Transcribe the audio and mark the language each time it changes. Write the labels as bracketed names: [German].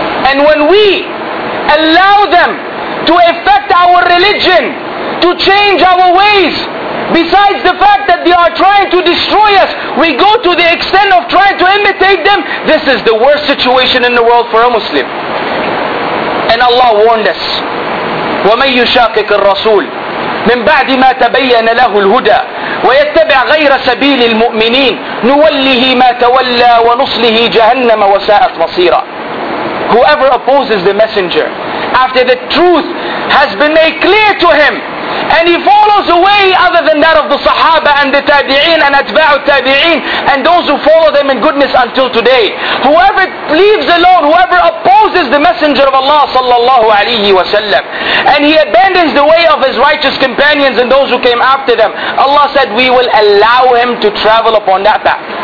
[English] And when we allow them to affect our religion, to change our ways, besides the fact that they are trying to destroy us, we go to the extent of trying to imitate them. This is the worst situation in the world for a Muslim. And Allah warned us, [Arabic] وَمَنْ يُشَاقِقِ الرَّسُولِ مِنْ بَعْدِ مَا تَبَيَّنَ لَهُ الْهُدَى وَيَتَّبِعَ غَيْرَ سَبِيلِ الْمُؤْمِنِينَ نُوَلِّهِ مَا تَوَلَّى وَنُصْلِهِ جَهَنَّمَ وَسَاءَتْ مَصِيرًا. [English] Whoever opposes the messenger after the truth has been made clear to him, and he follows a way other than that of the Sahaba and the Tabi'een and Atba'u Tabi'een and those who follow them in goodness until today, whoever leaves alone, whoever opposes the messenger of Allah sallallahu alayhi wa sallam, and he abandons the way of his righteous companions and those who came after them, Allah said, we will allow him to travel upon that path.